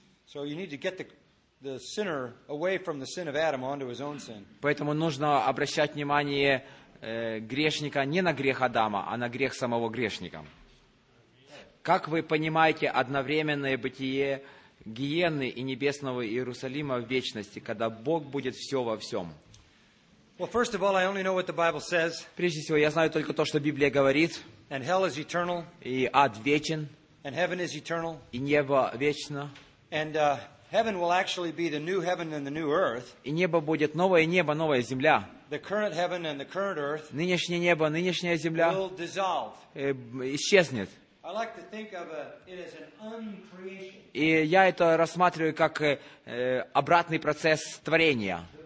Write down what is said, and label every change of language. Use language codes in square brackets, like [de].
[ru] Поэтому нужно обращать внимание грешника не на грех Адама, а на грех самого грешника. Как вы понимаете одновременное бытие гиены и небесного Иерусалима в вечности, когда Бог будет все во всем? [en] Well, first of all, I only know what the Bible says. [ru] Прежде всего, я знаю только то, что Библия говорит. [en] And hell is eternal. [ru] И ад вечен. [en] And heaven is eternal. [ru] И небо вечно. [en] And heaven will actually be the new heaven and the new earth. [ru] И небо будет новое небо, новая земля. [en] The current heaven and the current earth. [ru] Нынешнее небо, нынешняя земля. [en] Will dissolve. [ru] Исчезнет. [en] I like to think of it as an uncreation. [ru] И я это рассматриваю как обратный процесс творения.